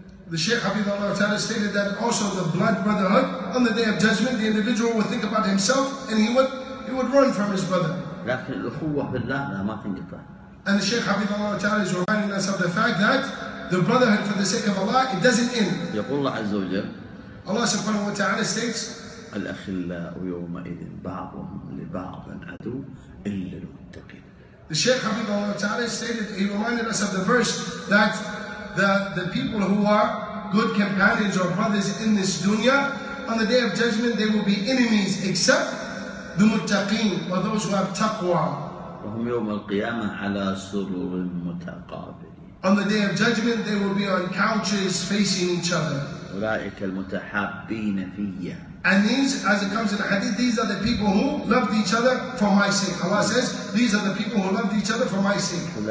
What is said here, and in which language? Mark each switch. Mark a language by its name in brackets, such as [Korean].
[English] The Shaykh Hafidh Allah Ta'ala stated that also the blood brotherhood, on the day of judgment, the individual would think about himself and he would run from his brother. [Arabic] لكن الأخوة بالله لا ما تنقطع. [English] And the Shaykh Hafidh Allah Ta'ala is reminding us of the fact that the brotherhood for the sake of Allah, it doesn't end. [Arabic] يقول الله عز وجل [English] Allah subhanahu wa ta'ala states [Arabic] الأخلاء يومئذ بعضهم لبعض عدو إلا المتقين. [English] The Shaykh Hafidh Allah Ta'ala stated, he reminded us of the verse that the people who are good companions or brothers in this dunya, on the day of judgment they will be enemies except the muttaqeen or those who have taqwa. [Arabic] وهم يوم القيامة على سرور متقابل. [English] On the day of judgment, they will be on couches facing each other. [Arabic] أولئك المتحابين فيه. [English] And these, as it comes in the hadith, these are the people who loved each other for my sake. Allah says, these are the people who loved each other for my sake.